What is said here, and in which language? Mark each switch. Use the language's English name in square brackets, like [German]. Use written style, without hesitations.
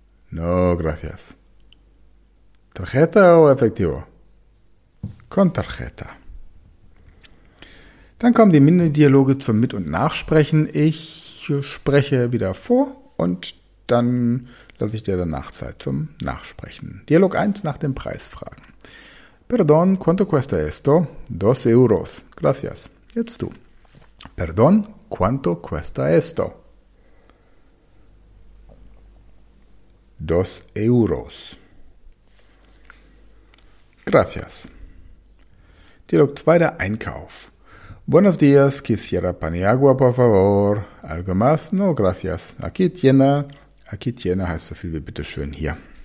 [Spanish] No, gracias. Tarjeta o efectivo. Con tarjeta. [German] Dann kommen die Mini-Dialoge zum Mit- und Nachsprechen. Ich spreche wieder vor und dann lasse ich dir danach Zeit zum Nachsprechen. Dialog 1 nach dem Preis fragen. [Spanish] Perdón, ¿cuánto cuesta esto? 2 euros. Gracias. [German] Jetzt du. [Spanish] Perdón, ¿cuánto cuesta esto? 2 euros. [German] Gracias. Dialog 2, der Einkauf. [Spanish] Buenos días, quisiera pan y agua, por favor. Algo más? No, gracias. Aquí tiene. Aquí tiene [German] heißt so viel wie bitteschön hier.